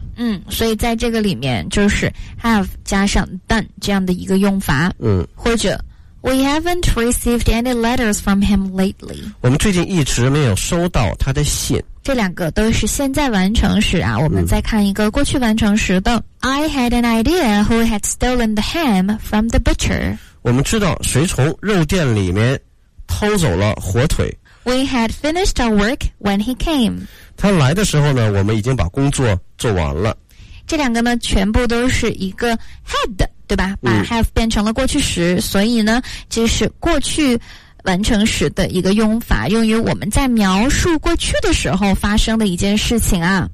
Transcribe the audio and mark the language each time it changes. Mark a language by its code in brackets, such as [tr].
[zh] 嗯，所以在这个里面就是 have 加上 done 这样的一个用法。嗯， [en] 或者We haven't received any letters from him lately. [zh] 我们最近一直没有收到他的信。这两个都是现在完成时啊，我们再看一个过去完成时的。 [en] 嗯、I had an idea who had stolen the ham from the butcher. [zh] 我们知道谁从肉店里面偷走了火腿。 [en] We had finished our work when he came. [zh] 他来的时候呢，我们已经把工作做完了。这两个呢，全部都是一个 had。对吧，把 have 变成了过去时、嗯、所以呢这是过去完成时的一个用法，用于我们在描述过去的时候发生的一件事情啊。